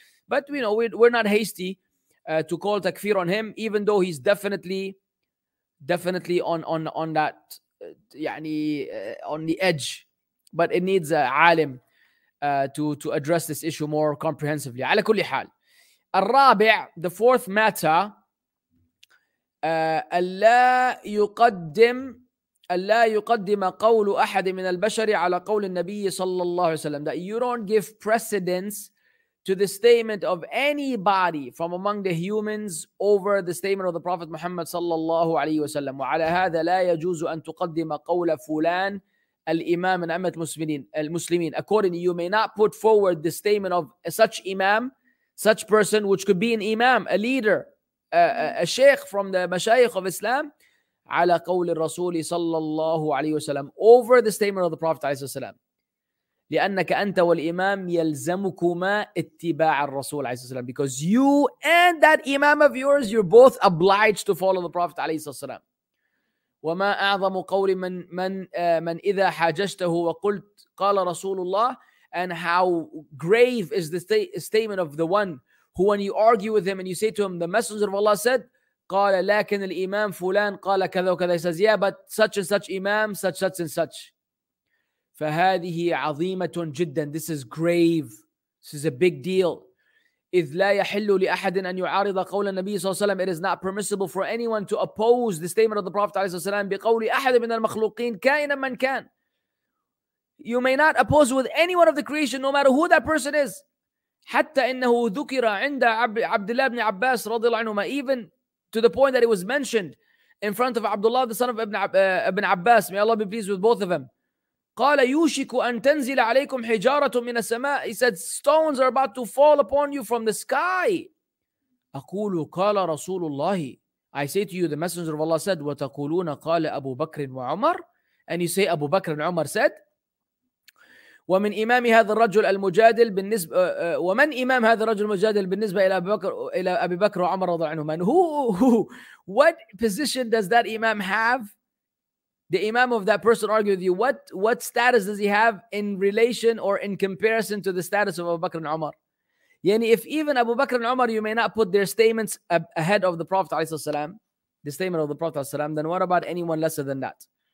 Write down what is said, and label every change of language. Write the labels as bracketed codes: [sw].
[en] But, you know, we're not hasty to call takfir on him, even though he's definitely on that, on the edge. But it needs a alim to address this issue more comprehensively. [ar] على كل حال. الرابع, [en] the fourth matter, [ar] ألا يقدم قول أحد من البشر على قول النبي صلى الله عليه وسلم. [en] That you don't give precedence to the statement of anybody from among the humans over the statement of the Prophet Muhammad صلى الله عليه وسلم. [ar] وعلى هذا لا يجوز أن تقدم قول فلان الإمام من أمة المسلمين المسلمين. [en] Accordingly, you may not put forward the statement of such imam, such person, which could be an imam, a leader, a sheikh from the mashayikh of Islam, [ar] على قول الرسول صلى الله عليه وسلم, [en] over the statement of the Prophet عليه السلام. [ar] لأنك أنت والإمام يلزمكما اتباع الرسول عليه السلام. [en] Because you and that imam of yours, you're both obliged to follow the Prophet عليه السلام. [ar] وما أعظم قول من إذا حاجشته وقلت قال رسول الله. [en] And how grave is the statement of the one who, when you argue with him and you say to him, the Messenger of Allah said, [ar] قال لكن الإمام فلان قال كذا وكذا. [en] He says, yeah, but such and such imam, such, such and such. [ar] فهذه عظيمة جدا. [en] This is grave. This is a big deal. [ar] إذ لا يحل لأحد أن يعارض قول النبي صلى الله عليه وسلم. [en] It is not permissible for anyone to oppose the statement of the Prophet عليه الصلاة والسلام [ar] بقول أحد من المخلوقين كائنا من كان. [en] You may not oppose with anyone of the creation, no matter who that person is. [ar] حتى إنه ذكر عند عبد الله بن عباس رضي الله عنهما, [en] even to the point that it was mentioned in front of Abdullah, the son of Ibn Abbas. May Allah be pleased with both of them. [ar] قال يوشك أن تنزل عليكم حجارة من السماء. [en] He said, stones are about to fall upon you from the sky. [ar] أقول قال رسول الله. [en] I say to you, the Messenger of Allah said, [ar] وتقولون قال أبو بكر وعمر. [en] And you say, أبو بكر وعمر said. [ar] ومن إمام هذا الرجل المجادل بالنسبة ومن إمام هذا الرجل المجادل بالنسبة إلى أبي بكر إلى أبي بكر وعمر رضي الله عنهما. [en] What position does that Imam have? The imam of that person argue with you, what status does he have in relation or in comparison to the status of Abu Bakr and Umar? Yani, if even Abu Bakr and Umar, you may not put their statements ahead of the Prophet عليه السلام, the statement of the Prophet عليه السلام, then what about anyone lesser than that?